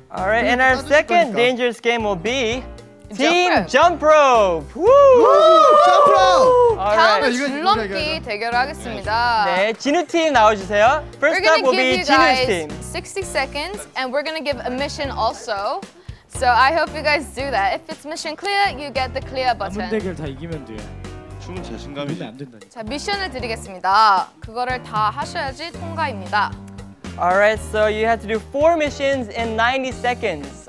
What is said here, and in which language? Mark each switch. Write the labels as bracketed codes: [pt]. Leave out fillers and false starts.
[en] All right. And our second dangerous game will be Team Jump Rope. Woo! Jump Rope. [ko] 다음은 줄넘기 대결을 하겠습니다. 네, 진우 팀 나와주세요. [en] First up will be Jin-woo's team. 60 seconds, and we're gonna give a mission also. So I hope you guys do that. If it's mission clear, you get the clear button. [ko] 아무 대결 다 이기면 돼. 춤은 자신감이 안 된다니까. 자, 미션을 드리겠습니다. 그거를 다 하셔야지 통과입니다. [en] All right, so you have to do 4 missions in 90 seconds.